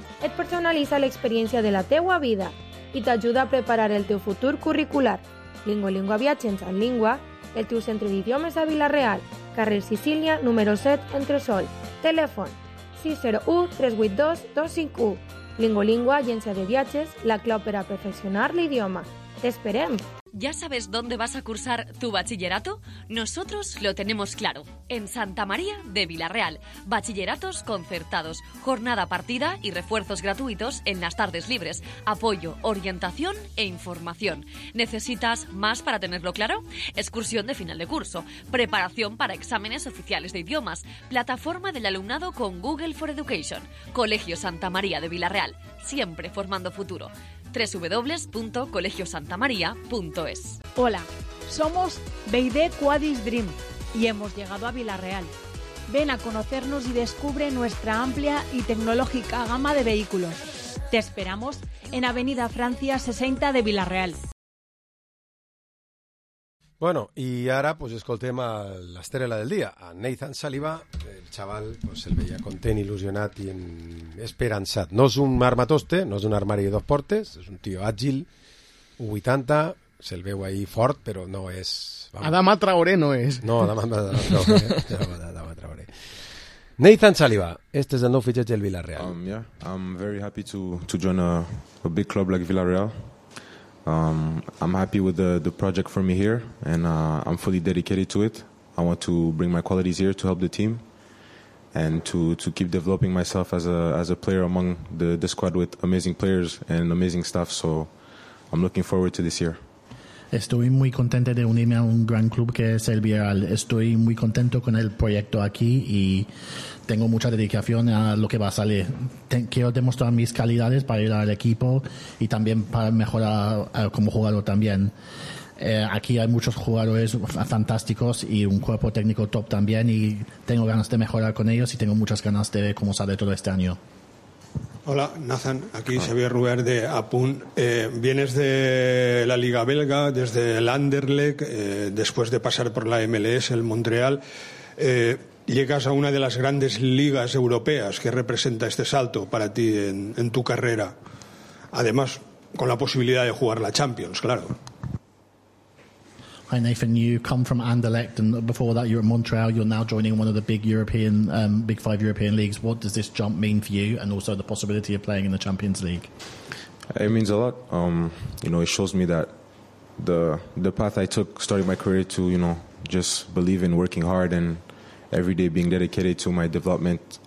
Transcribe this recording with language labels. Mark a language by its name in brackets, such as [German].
[Catalan] Et personalitza l'experiència de la teua vida i t'ajuda a preparar el teu futur curricular. Lingolingua Viatges en Lingua, el teu centre d'idiomes a Villarreal, carrer Sicília, número 7, Entresol. Telèfon 601-382-251. Lingolingua, agència de viatges, la clau per a perfeccionar l'idioma. T'esperem! [Spanish] ¿Ya sabes dónde vas a cursar tu bachillerato? Nosotros lo tenemos claro. En Santa María de Villarreal. Bachilleratos concertados, jornada partida y refuerzos gratuitos en las tardes libres. Apoyo, orientación e información. ¿Necesitas más para tenerlo claro? Excursión de final de curso, preparación para exámenes oficiales de idiomas, plataforma del alumnado con Google for Education. Colegio Santa María de Villarreal. Siempre formando futuro. www.colegiosantamaria.es. Hola, somos Beide Quadis Dream y hemos llegado a Villarreal. Ven a conocernos y descubre nuestra amplia y tecnológica gama de vehículos. Te esperamos en Avenida Francia 60 de Villarreal. [Catalan] Bueno, y ahora pues escoltem a la estrella del día, a Nathan Saliba. El chaval pues el veía content, il·lusionat i en esperançat. No és un armatoste, no és un armari de dos portes, és un tío àgil, 80, se'l veu ahí fort, però no és... Vamos. Adama Traoré no és. No, Adama Traoré. Nathan Saliba, este és el nou fitxatge del Villarreal. [English] I'm very happy to join a big club like Villarreal. I'm happy with the project for me here, and I'm fully dedicated to it. I want to bring my qualities here to help the team, and to keep developing myself as a player among the squad with amazing players and amazing staff. So I'm looking forward to this year. [Spanish] Estoy muy contento de unirme a un gran club que es el Villarreal. Estoy muy contento con el proyecto aquí y tengo mucha dedicación a lo que va a salir. Quiero demostrar mis calidades para ir al equipo y también para mejorar como jugador también. Aquí hay muchos jugadores fantásticos y un cuerpo técnico top también, y tengo ganas de mejorar con ellos y tengo muchas ganas de ver cómo sale todo este año. Hola, Nathan, aquí Xavier Ruber de Apun. Vienes de la Liga Belga, desde el Anderlecht, después de pasar por la MLS, el Montreal. Llegas a una de las grandes ligas europeas. ¿Qué representa este salto para ti en tu carrera? Además, con la posibilidad de jugar la Champions, claro. [English] Hi Nathan, you come from Anderlecht, and before that you're at Montreal. You're now joining one of the big European, big five European leagues. What does this jump mean for you, and also the possibility of playing in the Champions League? It means a lot. You know, it shows me that the path I took starting my career to, you know, just believe in working hard and every day being dedicated to my development.